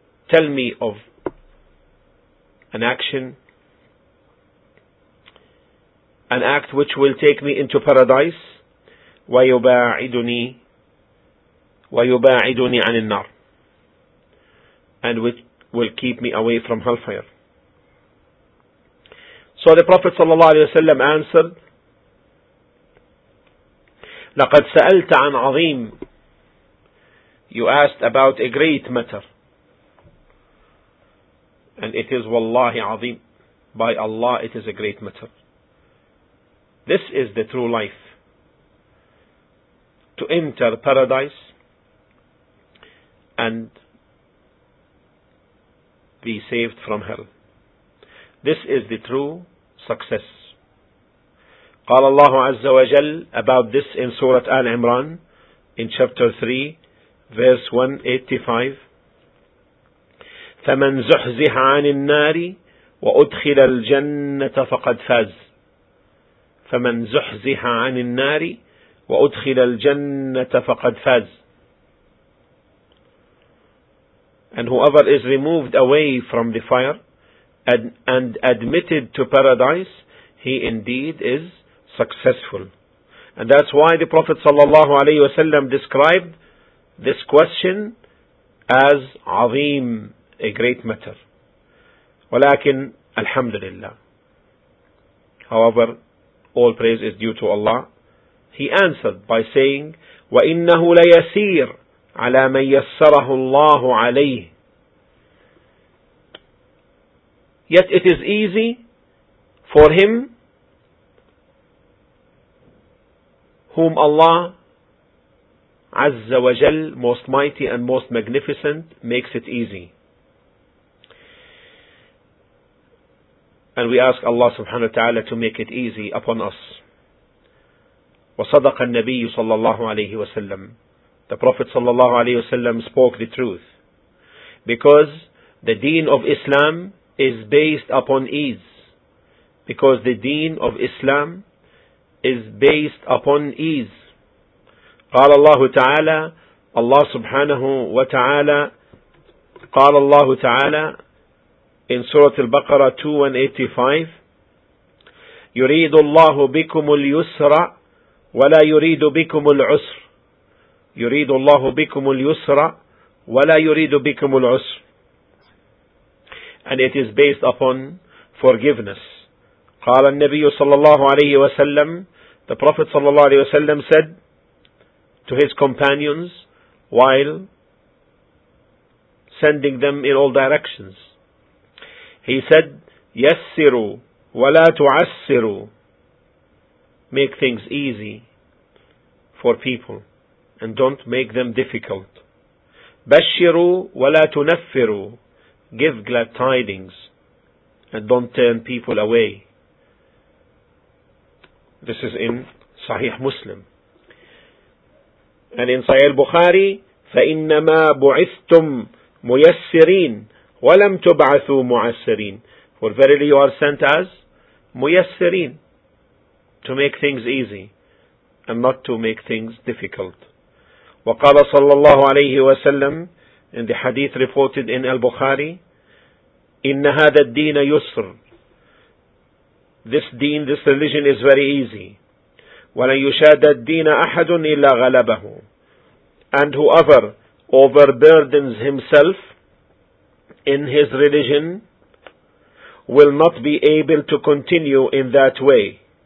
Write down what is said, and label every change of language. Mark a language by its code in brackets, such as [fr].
[en] Tell me of an action, an act which will take me into paradise. [ar] ويباعدني عن النار. [en] And which will keep me away from hellfire. So the Prophet صلى الله عليه وسلم answered, [ar] لقد سألت عن عظيم. [en] You asked about a great matter. And it is wallahi azim. By Allah it is a great matter. This is the true life. To enter paradise and be saved from hell. This is the true success. [ar] قال الله عز وجل [en] about this in Surah Al-Imran in chapter 3 verse 185, [ar] فمن زحزح عن النار وأدخل الجنة فقد فاز. فمن زحزح عن النار وأدخل الجنة فقد فاز. [en] And whoever is removed away from the fire and admitted to paradise, he indeed is successful. And that's why the Prophet sallallahu alayhi wa sallam described this question as عظيم, a great matter. [ar] ولكن الحمد لله. [en] However, all praise is due to Allah. He answered by saying, [ar] وإنه ليسير على من يسره الله عليه. [en] Yet it is easy for him whom Allah Azza wa Jal, most mighty and most magnificent, makes it easy. And we ask Allah subhanahu wa ta'ala to make it easy upon us. [ar] وَصَدَقَ النَّبِيُّ صَلَّى اللَّهُ عَلَيْهِ وَسَلَّمُ. [en] The Prophet صلى الله عليه وسلم spoke the truth. Because the deen of Islam is based upon ease. Because the deen of Islam is based upon ease. [ar] قال الله تعالى, Allah subhanahu wa ta'ala, قال الله تعالى [en] in Surah Al-Baqarah 2185, [ar] يريد الله بكم اليسر ولا يريد بكم العسر. يريد الله بكم اليسر ولا يريد بكم العسر. [en] And it is based upon forgiveness. [ar] قال النبي صلى الله عليه وسلم, [en] the Prophet صلى الله عليه وسلم said to his companions while sending them in all directions. He said, [ar] يَسِّرُوا وَلَا تُعَسِّرُوا. [en] Make things easy for people and don't make them difficult. [ar] بَشِّرُوا وَلَا تُنَفِّرُوا. [en] Give glad tidings and don't turn people away. This is in Sahih Muslim. And in Sahih al-Bukhari, [ar] فَإِنَّمَا بُعِثْتُمْ مُيَسِّرِينَ وَلَمْ تُبْعَثُوا مُعَسِّرِينَ. [en] For verily you are sent as muyassirin, to make things easy and not to make things difficult. [ar] وَقَالَ صَلَّى اللَّهُ عَلَيْهِ وَسَلَّمْ, [en] in the hadith reported in al-Bukhari, [ar] إِنَّ هَذَا الدِّينَ يُسْرٌ. [en] This deen, this religion is very easy. [ar] وَلَنْ يُشَادَ الدِّينَ أَحَدٌ إِلَّا غَلَبَهُ. [en] And whoever overburdens himself in his religion will not be able to continue in that way.